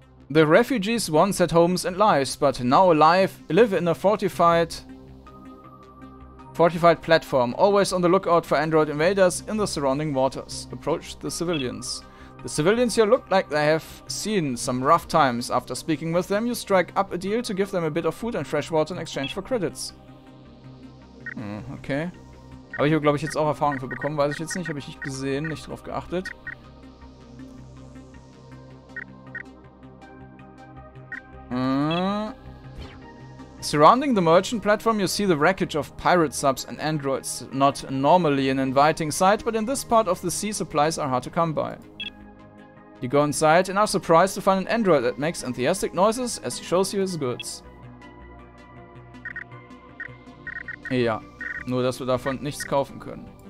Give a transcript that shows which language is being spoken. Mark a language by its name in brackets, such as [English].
[English] The refugees once had homes and lives, but now alive live in a fortified platform. Always on the lookout for android invaders in the surrounding waters. Approach the civilians. The civilians here look like they have seen some rough times. After speaking with them, you strike up a deal to give them a bit of food and fresh water in exchange for credits. Hm, okay. [German] Habe ich aber, glaube ich, jetzt auch Erfahrung für bekommen, weiß ich jetzt nicht. Habe ich nicht gesehen, nicht drauf geachtet. [English] Surrounding the merchant platform, you see the wreckage of pirate subs and androids. Not normally an inviting sight, but in this part of the sea, supplies are hard to come by. You go inside and are surprised to find an android that makes enthusiastic noises as he shows you his goods. [German] Ja, nur dass wir davon nichts kaufen können.